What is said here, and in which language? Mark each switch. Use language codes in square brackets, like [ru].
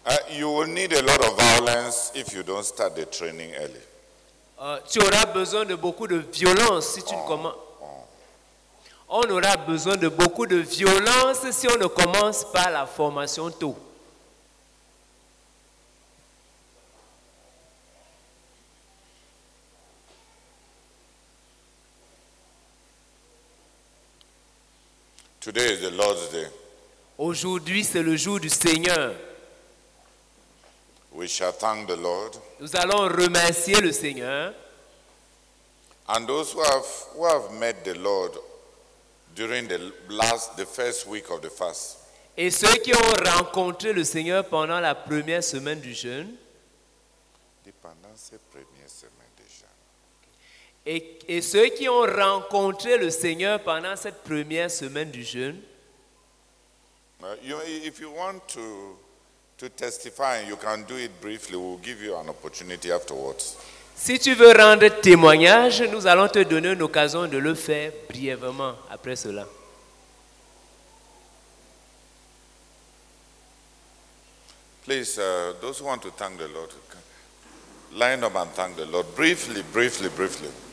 [en] You will need a lot of violence if you don't start the training early. [fr] tu auras besoin de beaucoup de violence si tu ne commences. On aura besoin de beaucoup de violence si on ne commence pas la formation tôt. [en] Today is the Lord's day. [fr] Aujourd'hui, c'est le jour du Seigneur. [en] We shall thank the Lord. [fr] Nous allons remercier le Seigneur. [en] And those who have met the Lord during the first week of the fast. [fr] Et ceux qui ont rencontré le Seigneur pendant la première semaine du jeûne. Pendant ces premières semaines de jeûne. Et ceux qui ont rencontré le Seigneur pendant cette première semaine du jeûne. [en] If you want to testify, you can do it briefly. We'll give you an opportunity afterwards. [fr] Si tu veux rendre témoignage, nous allons te donner une occasion de le faire brièvement après cela. [en] Please, those who want to thank the Lord, line up and thank the Lord briefly, briefly, briefly.